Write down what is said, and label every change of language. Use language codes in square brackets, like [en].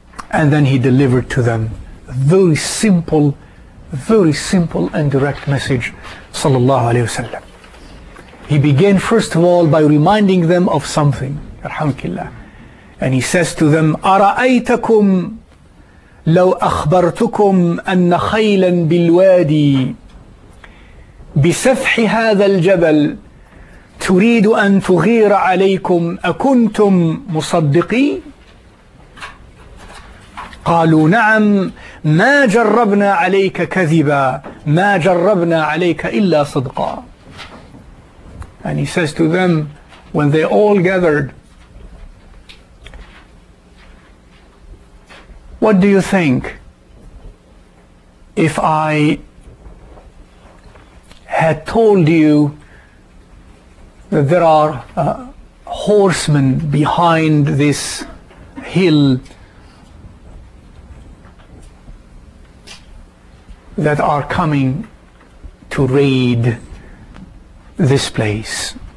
[en] And then he delivered to them very simple and direct message, sallallahu alayhi wa sallam. He began first of all by reminding them of something, alhamdulillah. And he says to them, [ar] أَرَأَيْتَكُمْ لَوْ أَخْبَرْتُكُمْ أَنَّ خَيْلًا بِالْوَادِي بِسَفْحِ هَذَا الْجَبَلِ تُرِيدُ أَن تُغِيرَ عَلَيْكُمْ أَكُنْتُمْ مُصَدِّقِي قالوا نعم ما جربنا عليك كذبا ما جربنا عليك إلا صدقا. [en] And he says to them, when they all gathered, what do you think if I had told you that there are horsemen behind this hill that are coming to raid this place?